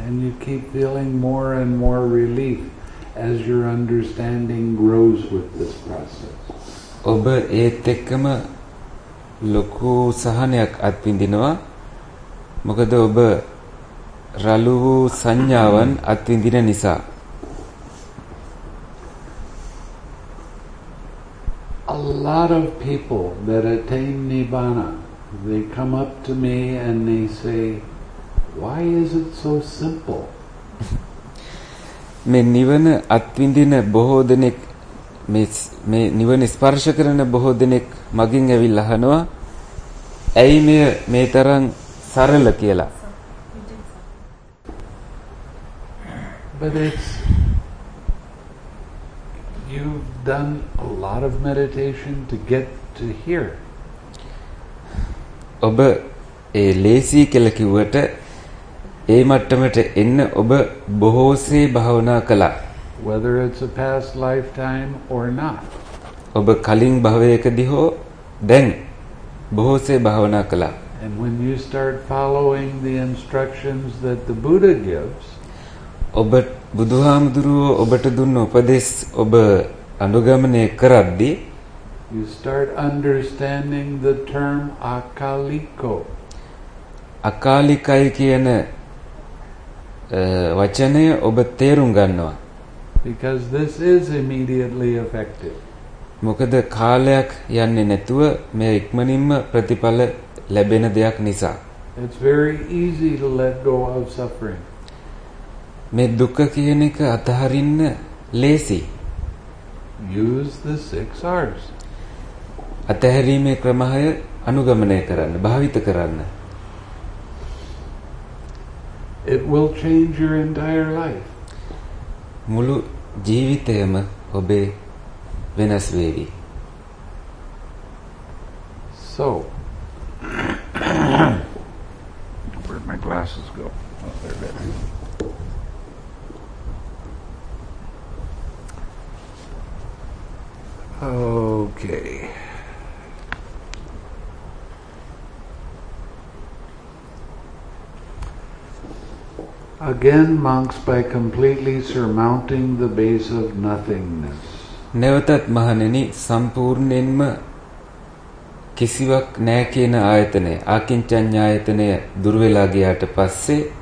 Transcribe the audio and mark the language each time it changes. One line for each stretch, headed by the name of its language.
English: And you keep feeling more and more relief as your understanding grows with this process.
Sinhala: ඔබ ඒත් එක්කම ලොකු සහනයක් අත්විඳිනවා. මොකද ඔබ රළු සංඥාවන් අත්විඳින නිසා.
English: A lot of people that attain nibbana, they come up to me and they say, why is it so simple?
Sinhala: මේ නිවන අත්විඳින බොහෝ දෙනෙක් මේ නිවන ස්පර්ශ කරන බොහෝ දෙනෙක් මගින් ඇවිල්ලා අහනවා ඇයි මේ තරම් සරල කියලා.
English: But it's, you've done a lot of meditation to get to here.
Sinhala: ඔබ ඒ ලේසි කියලා කිව්වට ඒ මට්ටමට එන්න ඔබ බොහෝසේ භවනා කළා.
English: Whether it's a past lifetime or not.
Sinhala: ඔබ කලින් භවයකදී හෝ දැන් බොහෝසේ භවනා කළා.
English: And when you start following the instructions that the Buddha gives,
Sinhala: ඔබ බුදුහාමුදුරුවෝ ඔබට දුන්න උපදෙස් ඔබ අනුගමනය කරද්දී
English: you start understanding the term akaliko.
Sinhala: අකාලිකයි කියන වචනය ඔබ තේරුම් ගන්නවා.
English: Because this is immediately effective.
Sinhala: මොකද කාලයක් යන්නේ නැතුව මේ ඉක්මනින්ම ප්‍රතිඵල ලැබෙන දෙයක් නිසා.
English: It's very easy to let go of suffering.
Sinhala: මේ දුක කියන එක අතහරින්න ලේසි.
English: Use the six R's.
Sinhala: අතහැරීමේ ක්‍රමය අනුගමනය කරන්න, භාවිත කරන්න.
English: It will change your entire life.
Sinhala: මුළු ජීවිතයම ඔබේ වෙනස් වේවි.
English: So, where'd my glasses go? Oh, there they are. Okay. Again, monks, by completely surmounting the base of nothingness.
Sinhala: නැවතත් මහණෙනි සම්පූර්ණයෙන්ම කිසිවක් නැහැ කියන ආයතනය, ආකින්චඤ්ඤායතනය දුර්වලා ගියාට පස්සේ